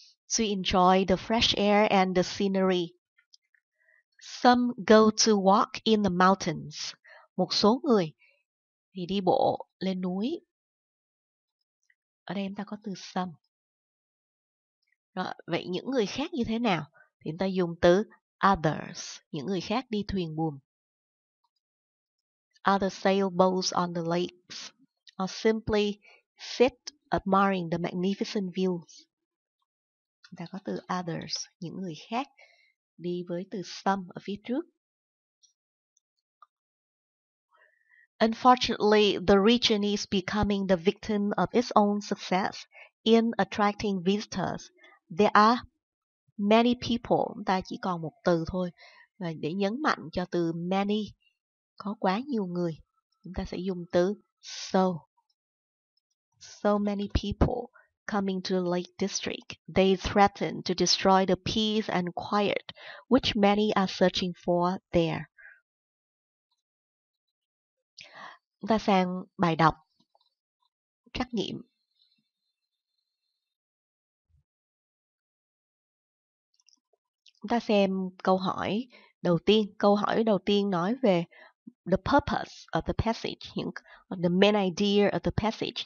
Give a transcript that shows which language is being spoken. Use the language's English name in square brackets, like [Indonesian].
[English] To enjoy the fresh air and the scenery. Some go to walk in the mountains. [Vietnamese] Một số người thì đi bộ lên núi. Ở đây chúng ta có từ some. Rồi, vậy những người khác như thế nào? Thì chúng ta dùng từ others. Những người khác đi thuyền buồm. [English] Other sailboats on the lakes. Or simply sit admiring the magnificent views. [Vietnamese] Chúng ta có từ others, những người khác, đi với từ some ở phía trước. [English] Unfortunately, the region is becoming the victim of its own success in attracting visitors. There are many people. [Vietnamese] Chúng ta chỉ còn một từ thôi. Và để nhấn mạnh cho từ many, có quá nhiều người, chúng ta sẽ dùng từ so. [English] So many people coming to the Lake District, they threaten to destroy the peace and quiet which many are searching for there. [Vietnamese] Chúng ta sang bài đọc trắc nghiệm. Chúng ta xem câu hỏi đầu tiên. Câu hỏi đầu tiên nói về [English] the purpose of the passage, the main idea of the passage.